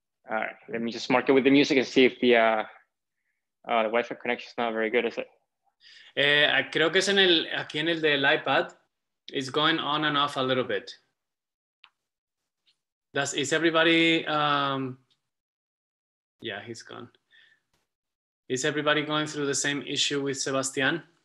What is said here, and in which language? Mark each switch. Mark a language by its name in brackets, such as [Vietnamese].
[English] All right, let me just mark it with the music and see if the Wi-Fi connection is not very good, is it? [Spanish] Creo que es en el, aquí en el del iPad. [English] It's going on and off a little bit. Is everybody... yeah, he's gone. Is everybody going through the same issue with Sebastian?